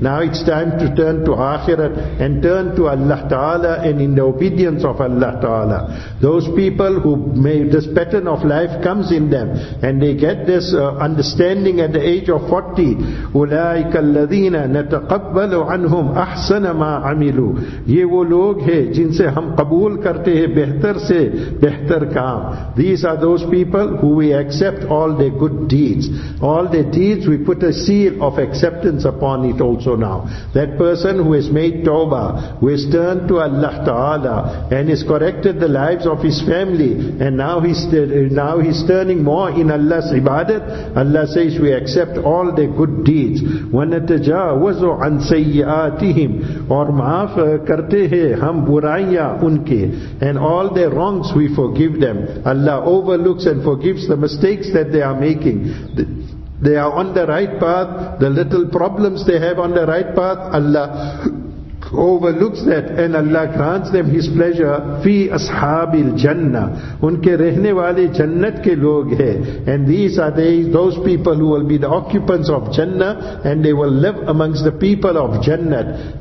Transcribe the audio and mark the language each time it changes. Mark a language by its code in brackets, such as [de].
[en] Now it's time to turn to Akhirat and turn to Allah Ta'ala and in the obedience of Allah Ta'ala. Those people who may, this pattern of life comes in them and they get this understanding at the age of 40. [ar] أُولَٰئِكَ الَّذِينَ نَتَقَبَّلُ عَنْهُمْ أَحْسَنَ مَا عَمِلُوا. [ur] یہ وہ لوگ ہیں جن سے ہم قبول کرتے ہیں بہتر سے بہتر کام. [en] These are those people who we accept all their good deeds. All their deeds, we put a seal of acceptance upon it also now. That person who has made tawbah, who has turned to Allah Ta'ala, and has corrected the lives of his family, and now he's turning more in Allah's ibadat, Allah says we accept all their good deeds. [ar] وَنَتَجَاوَزُ عَنْ سَيِّئَاتِهِمْ [ur] اور معاف کرتے ہیں ہم برائیاں ان کے, [en] and all their wrongs we forgive them. Allah overlooks and forgives the mistakes that they are making. They are on the right path. The little problems they have on the right path, Allah overlooks that, and Allah grants them His pleasure. [ar] Fi ashabil jannah, [ur] unke rehne wale jannat ke log hai, [en] and these are those people who will be the occupants of jannah, and they will live amongst the people of jannat.